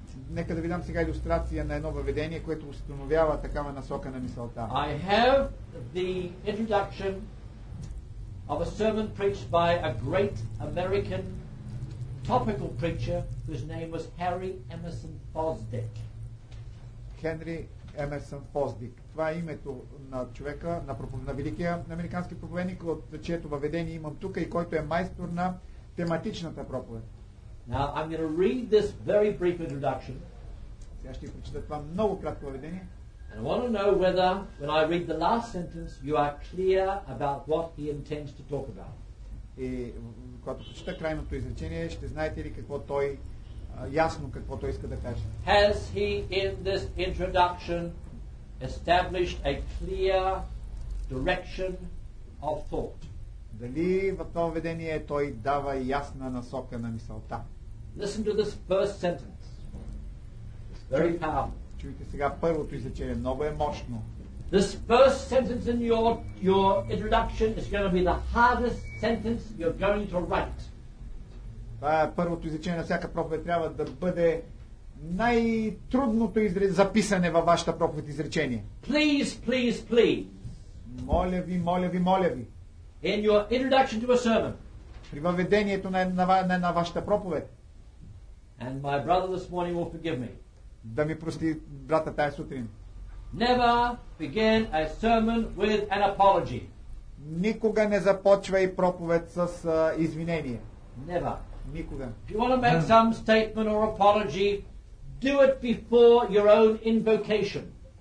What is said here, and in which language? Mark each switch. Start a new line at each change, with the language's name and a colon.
Bulgarian: Нека да ви дам сега илюстрация на едно въведение, което установява такава насока на мисълта.
English: I have the introduction of a sermon preached by a great American topical preacher whose name was Harry Emerson Fosdick. Henry Emerson Fosdick.
Bulgarian: Това е името на човека, на, на великия американски проповедник, от чието въведение имам тук и който е майстор на тематичната проповед.
English: Now I'm going to read this very brief introduction.
Bulgarian: Сега ще прочита това много кратко въведение.
English: And I want to know whether when I read the last sentence you are clear about what he intends to talk about.
Bulgarian: И когато прочита крайното изречение, ще знаете ли какво той ясно какво той иска да каже.
English: Has he in this introduction established a clear direction of thought?
Bulgarian: Дали в това введение той дава ясна насока на мисълта?
English: Listen to this first sentence. Very powerful.
Bulgarian: Чуйте сега първото изречение, много е мощно.
English: This first sentence in your introduction is going to be the hardest sentence you're going to write.
Bulgarian: Това е първото изречение на всяка проповед, трябва да бъде най-трудното записане във вашата проповед изречение.
English: Please, please, please.
Bulgarian: Моля ви, моля ви, моля ви.
English: In your introduction to a sermon.
Bulgarian: При въведението на вашата проповед.
English: And my brother this morning will forgive me.
Bulgarian: Да ми прости брата тази сутрин.
English: Never begin a sermon with an apology.
Bulgarian: Никога не започвай проповед с извинение.
English: Never.
Bulgarian: Никога.
English: If you want to make some statement or apology, do it before your own invocation.